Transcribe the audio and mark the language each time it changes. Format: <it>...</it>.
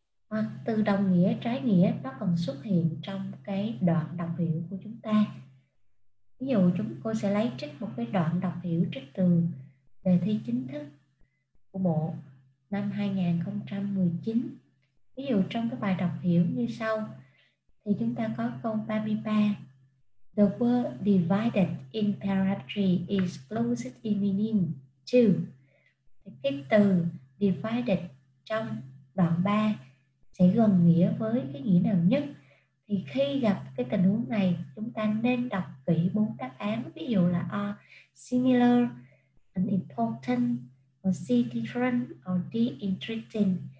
<vi>Hoặc từ đồng nghĩa, trái nghĩa nó còn xuất hiện trong cái đoạn đọc hiểu của chúng ta. Ví dụ chúng cô sẽ lấy trích một cái đoạn đọc hiểu trích từ đề thi chính thức của bộ năm 2019. Ví dụ trong cái bài đọc hiểu như sau, thì chúng ta có câu 33.</vi> <en>The word divided in parametry is closed in meaning to.</en> <vi>Cái từ divided trong đoạn 3 sẽ gần nghĩa với cái nghĩa nào nhất? Thì khi gặp cái tình huống này, chúng ta nên đọc kỹ bốn đáp án. Ví dụ là</vi> <en>A, similar, an important, or C, different, or D, interesting.</en>